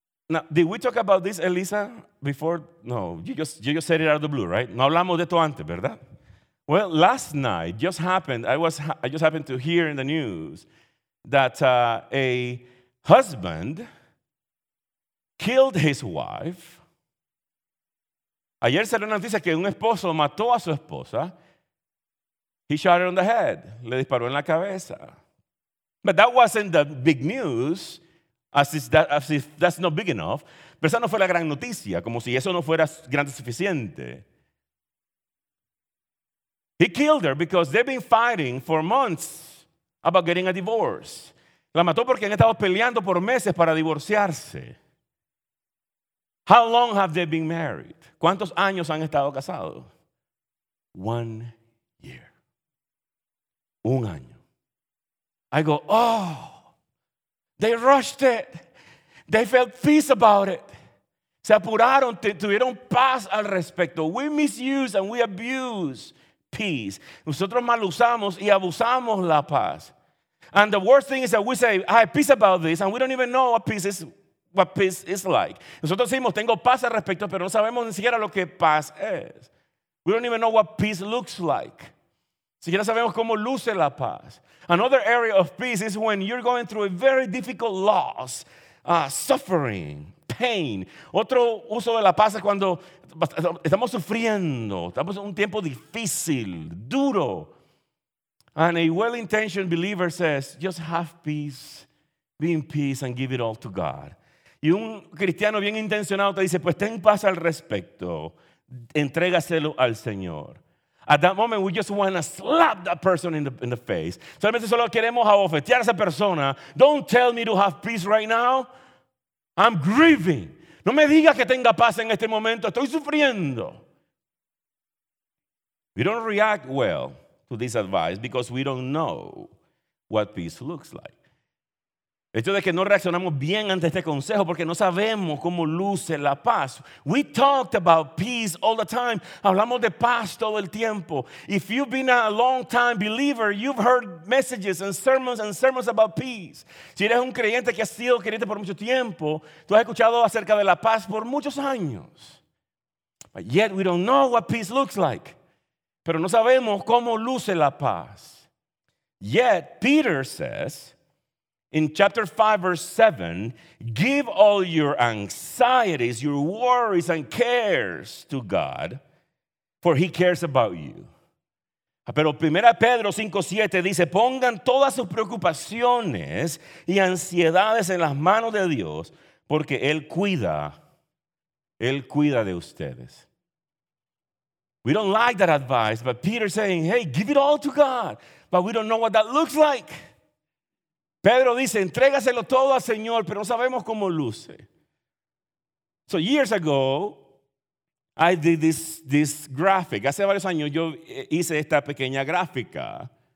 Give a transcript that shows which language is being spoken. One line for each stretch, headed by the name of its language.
English: Now, did we talk about this, Elisa, before? No, you just said it out of the blue, right?
Spanish: No hablamos de esto antes, ¿verdad?
English: Well, last night just happened, I just happened to hear in the news that a husband killed his wife.
Spanish: Ayer salió una noticia que un esposo mató a su esposa.
English: He shot her on the head.
Spanish: Le disparó en la cabeza.
English: But that wasn't the big news, as if that's not big enough.
Spanish: Pero esa no fue la gran noticia, como si eso no fuera grande suficiente.
English: He killed her because they've been fighting for months about getting a divorce.
Spanish: La mató porque han estado peleando por meses para divorciarse.
English: How long have they been married?
Spanish: ¿Cuántos años han estado casados?
English: 1 year.
Spanish: Un año.
English: I go, oh, they rushed it. They felt peace about it.
Spanish: Se apuraron, tuvieron paz al respecto.
English: We misuse and we abuse peace.
Spanish: Nosotros mal usamos y abusamos la paz.
English: And the worst thing is that we say, I have peace about this, and we don't even know what peace is like.
Spanish: Nosotros decimos, tengo paz al respecto, pero no sabemos ni siquiera lo que paz es.
English: We don't even know what peace looks like.
Spanish: Ni siquiera sabemos cómo luce la paz.
English: Another area of peace is when you're going through a very difficult loss, suffering, pain.
Spanish: Otro uso de la paz es cuando estamos sufriendo, estamos en un tiempo difícil, duro.
English: And a well-intentioned believer says, just have peace, be in peace and give it all to God.
Spanish: Y un cristiano bien intencionado te dice, pues ten paz al respecto, entrégaselo al Señor.
English: At that moment, we just want to slap that person in the face.
Spanish: Solamente solo queremos abofetear a esa persona.
English: Don't tell me to have peace right now. I'm grieving.
Spanish: No me diga que tenga paz en este momento. Estoy sufriendo.
English: We don't react well to this advice because we don't know what peace looks like.
Spanish: Esto de que no reaccionamos bien ante este consejo porque no sabemos cómo luce la paz.
English: We talked about peace all the time.
Spanish: Hablamos de paz todo el tiempo.
English: If you've been a long time believer, you've heard messages and sermons about peace.
Spanish: Si eres un creyente que ha sido creyente por mucho tiempo, tú has escuchado acerca de la paz por muchos años.
English: But yet we don't know what peace looks like.
Spanish: Pero no sabemos cómo luce la paz.
English: Yet Peter says, in chapter 5, verse 7, give all your anxieties, your worries, and cares to God, for he cares about you.
Spanish: Pero 1 Pedro 5, 7 dice, pongan todas sus preocupaciones y ansiedades en las manos de Dios, porque Él cuida de ustedes.
English: We don't like that advice, but Peter's saying, hey, give it all to God. But we don't know what that looks like.
Spanish: Pedro dice, entrégaselo todo al Señor, pero no sabemos cómo luce.
English: So years ago, I did this graphic.
Spanish: Hace varios años yo hice esta pequeña gráfica.